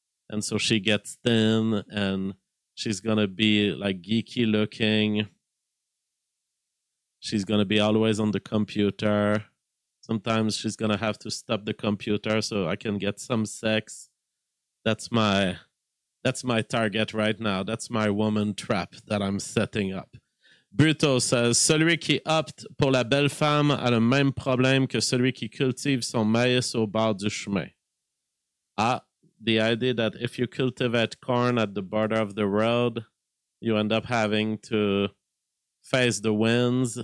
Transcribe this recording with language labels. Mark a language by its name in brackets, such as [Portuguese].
[English] And so she gets thin and she's going to be like geeky looking. She's going to be always on the computer. Sometimes she's going to have to stop the computer so I can get some sex. That's my target right now. That's my woman trap that I'm setting up. Bruto says, [French] celui qui opte pour la belle femme a le même problème que celui qui cultive son maïs au bord du chemin. [English] Ah, the idea that if you cultivate corn at the border of the road, you end up having to face the winds.